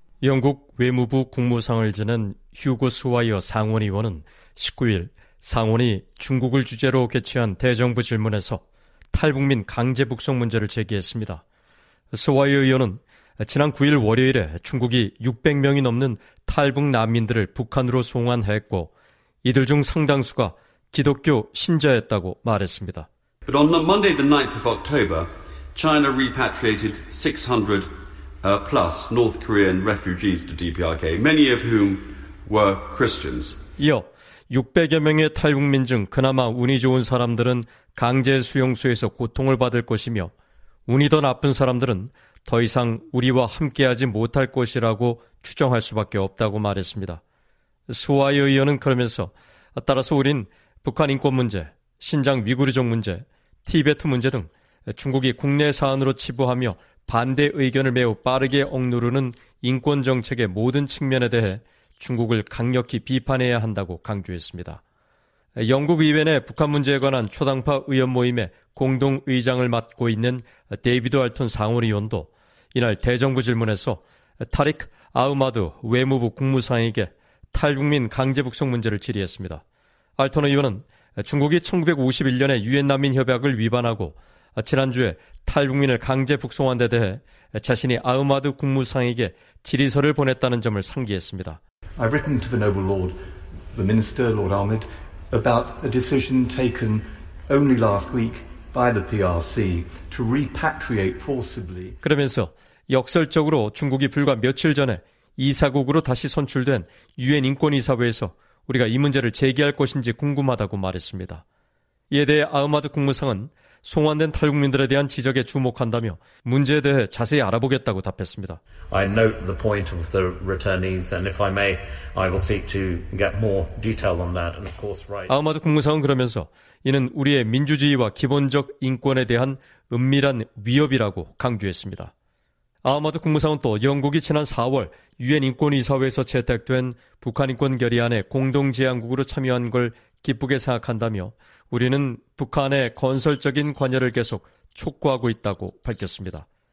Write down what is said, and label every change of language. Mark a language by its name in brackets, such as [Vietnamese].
[Korean] 영국 외무부 국무상을 지낸 휴고 스와이어 상원의원은 19일 상원이 중국을 주제로 개최한 대정부 질문에서 탈북민 강제 북송 문제를 제기했습니다. 스와이어 의원은 지난 9일 월요일에 중국이 600명이 넘는 탈북 난민들을 북한으로 송환했고 이들 중 상당수가 기독교 신자였다고 말했습니다. [English] But on Monday the 9th of October, China repatriated 600+ North Korean refugees to DPRK, many of whom were Christians. [Korean] 이어 600여 명의 탈북민 중 그나마 운이 좋은 사람들은 강제 수용소에서 고통을 받을 것이며 운이 더 나쁜 사람들은 더 이상 우리와 함께하지 못할 것이라고 추정할 수밖에 없다고 말했습니다. 스와이어 의원은 그러면서 따라서 우린 북한 인권 문제, 신장 위구르족 문제, 티베트 문제 등 중국이 국내 사안으로 치부하며 반대 의견을 매우 빠르게 억누르는 인권 정책의 모든 측면에 대해 중국을 강력히 비판해야 한다고 강조했습니다. 영국 의회 내 북한 문제에 관한 초당파 의원 모임의 공동 의장을 맡고 있는 데이비드 알톤 상원의원도 이날 대정부 질문에서 타릭 아우마드 외무부 국무상에게 탈북민 강제 북송 문제를 질의했습니다. 알톤 의원은 중국이 1951년에 유엔 난민 협약을 위반하고 지난주에 탈북민을 강제 북송한 데 대해 자신이 아우마드 국무상에게 질의서를 보냈다는 점을 상기했습니다. [English] I've written to the noble lord, the minister, Lord Ahmed, about a decision taken only last week by the PRC to repatriate forcibly. [Korean] 그러면서 역설적으로 중국이 불과 며칠 전에 이사국으로 다시 선출된 유엔 인권이사회에서 우리가 이 문제를 제기할 것인지 궁금하다고 말했습니다. 이에 대해 아우마드 국무상은 송환된 탈북민들에 대한 지적에 주목한다며 문제에 대해 자세히 알아보겠다고 답했습니다. [English] I note the point of the returnees and if I may, I will seek to get more detail on that. And of course, right. [Korean] 아우마드 국무상은 그러면서 이는 우리의 민주주의와 기본적 인권에 대한 은밀한 위협이라고 강조했습니다. 아우마드 국무상은 또 영국이 지난 4월 유엔 인권이사회에서 채택된 북한 인권 결의안에 공동 제안국으로 참여한 걸 기쁘게 생각한다며 우리는 북한의 건설적인 관여를 계속 촉구하고 있다고 밝혔습니다.